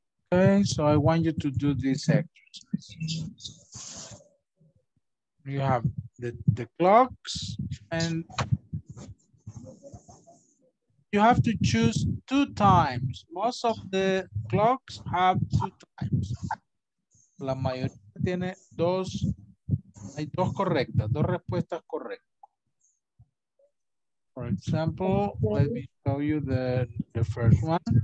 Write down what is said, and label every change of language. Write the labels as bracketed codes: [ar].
[en] Okay, so I want you to do this exercise. You have the clocks and you have to choose two times. Most of the clocks have two times. [es] La mayoría tiene dos, hay dos correctas, dos respuestas correctas. [en] For example, let me show you the first one.